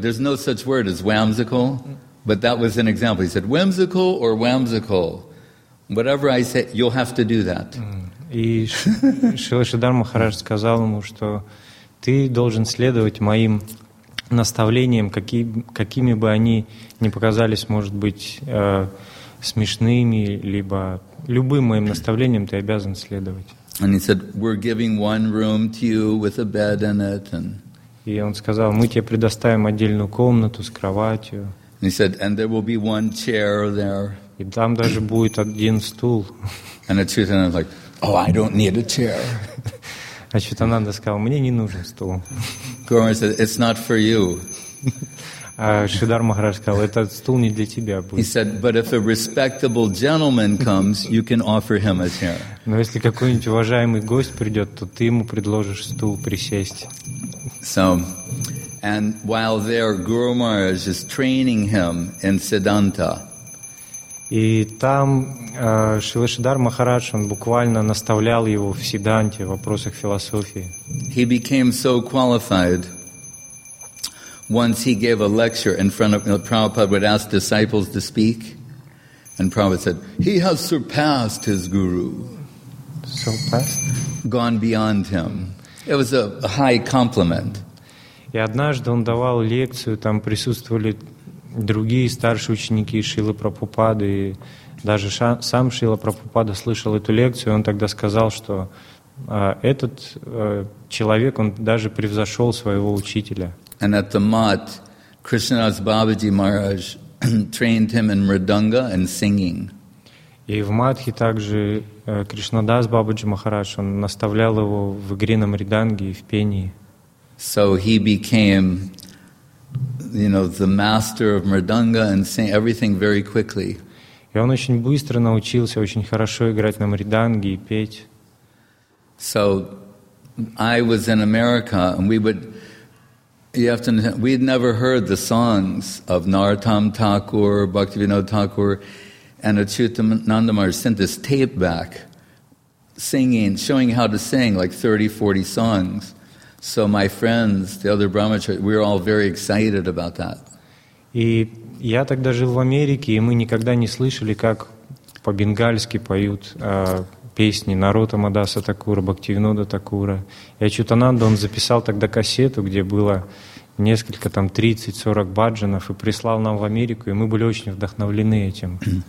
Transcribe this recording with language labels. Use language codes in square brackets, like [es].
[en] There's no such word as whimsical, but that was an example. He said, whimsical or whimsical, whatever I say, you'll have to do that. [ru] И Шрила Шридхар Махарадж сказал ему, что ты должен следовать моим наставлениям, какими бы они ни показались, может быть, смешными, либо любым моим наставлениям ты обязан следовать. [en] And he said, we're giving one room to you with a bed in it. And... [ru] И он сказал, мы тебе предоставим отдельную комнату с кроватью. [en] And he said, and there will be one chair there. [ru] И там даже будет один стул. [en] And the truth is, like, oh, I don't need a chair. [ru] А что-то Ананда сказал, мне не нужен стул. [en] Гурмур said, it's not for you. [ru] А Шридхар Махарадж сказал, этот стул не для тебя будет. [en] He said, but if a respectable gentleman comes, you can offer him a chair. [ru] Но если какой-нибудь уважаемый гость придет, то ты ему предложишь стул присесть. [en] So, and while there, Гуру Махарадж is training him in Siddhanta. [ru] И там Шрила Шридхар Махарадж, он буквально наставлял его в Сиддханте, в вопросах философии. [en] He became so qualified. Once he gave a lecture in front of, Prabhupada would ask disciples to speak, and Prabhupada said, he has surpassed his guru. Surpassed? Gone beyond him. It was a high compliment. [ru] И однажды он давал лекцию, там присутствовали другие старшие ученики Шрилы Прабхупады, и даже сам Шрила Прабхупада слышал эту лекцию, и он тогда сказал, что этот человек, он даже превзошел своего учителя. [en] And at the Mat, Krishnadas Babaji Maharaj trained him in mridanga and singing. [ru] И в Матхе также Кришнадас Бабаджи Махарадж, он наставлял его в игре на мриданге и в пении. [en] So he became... You know, the master of mridanga and sing everything very quickly. [ru] И он очень быстро научился очень хорошо играть на мриданге и петь. [en] So, I was in America, and we'd never heard the songs of Narottam Thakur, Bhaktivinod Thakur, and Achyutananda Maharaj sent this tape back, singing, showing how to sing like 30-40 songs. So my friends, the other brahmacharis, we were all very excited about that. [ru] И я тогда жил в Америке, и мы никогда не слышали, как по-бенгальски поют песни Наротама Даса Такура, Бхактивинода Такура. И Ачютананда, он записал тогда кассету, где было несколько, там, 30-40 баджанов, и прислал нам в Америку, и мы были очень вдохновлены этим.